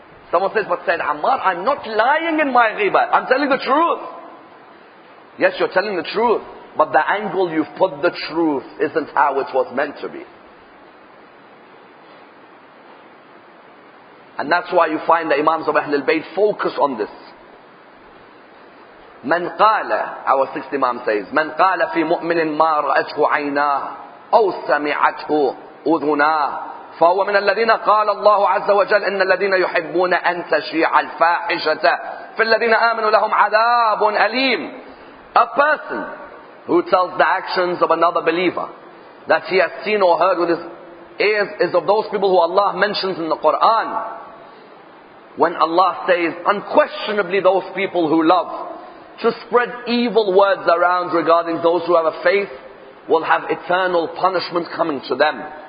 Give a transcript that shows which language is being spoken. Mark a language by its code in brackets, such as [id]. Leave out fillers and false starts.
[en] Someone says, but Sayyid Ammar, I'm not lying in my ghibah. I'm telling the truth. Yes, you're telling the truth. But the angle you've put the truth isn't how it was meant to be. And that's why you find the Imams of Ahlul Bayt focus on this. [ar] من قال, [en] our sixth Imam says, [ar] من قال في مؤمن ما رأته عيناه أو سمعته أذناه فهو من الذين قال الله عز وجل إن الذين يحبون أن تشيع الفاحشة في الذين آمنوا لهم عذاب أليم. [en] A person who tells the actions of another believer that he has seen or heard with his ears is of those people who Allah mentions in the Quran. When Allah says, unquestionably those people who love to spread evil words around regarding those who have a faith will have eternal punishment coming to them.